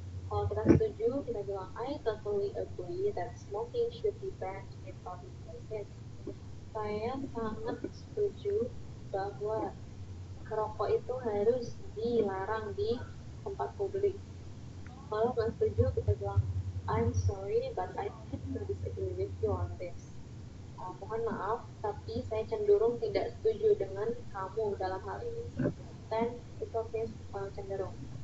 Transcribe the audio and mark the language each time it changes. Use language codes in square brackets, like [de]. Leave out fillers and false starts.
[id] Kalau kita setuju, kita bilang, [en] I totally agree that smoking should be banned in public places. [id] Saya sangat setuju bahwa rokok itu harus dilarang di tempat publik. Kalau nggak setuju, kita bilang, [en] I'm sorry, but I tend to disagree with you on this. [id] Mohon maaf, tapi saya cenderung tidak setuju dengan kamu dalam hal ini. [en] Then, it's okay, cenderung.